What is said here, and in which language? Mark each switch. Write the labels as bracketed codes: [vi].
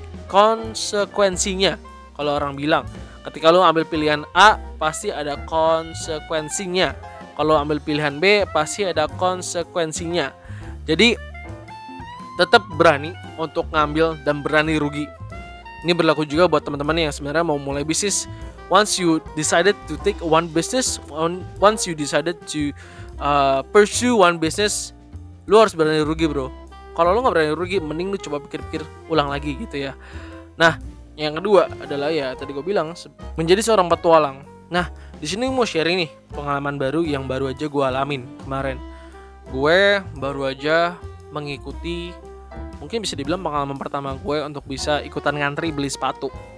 [id] Konsekuensinya, kalau orang bilang, ketika lo ambil pilihan A, pasti ada konsekuensinya. Kalau ambil pilihan B, pasti ada konsekuensinya. Jadi, tetap berani untuk ngambil dan berani rugi. Ini berlaku juga buat teman-teman yang sebenarnya mau mulai bisnis. [en] Once you decided to take one business, once you decided to pursue one business, [id] lu harus berani rugi, bro. Kalau lu gak berani rugi, mending lu coba pikir-pikir ulang lagi gitu ya. Nah, yang kedua adalah ya tadi gue bilang, menjadi seorang petualang. Nah, di sini mau share ini pengalaman baru yang baru aja gue alamin kemarin. Gue baru aja mengikuti, mungkin bisa dibilang pengalaman pertama gue untuk bisa ikutan ngantri beli sepatu.